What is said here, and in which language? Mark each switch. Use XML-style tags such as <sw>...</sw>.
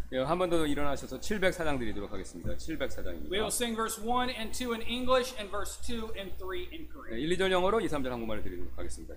<ko>예, 한 번 더 일어나셔서 704장 드리도록 하겠습니다. 704장입니다.</ko> <en>We will sing verse 1 and 2 in English and verse 2 and 3 in Korean.</en> <ko>예, 1, 2절 영어로 2, 3절 한국말을 드리도록 하겠습니다.</ko>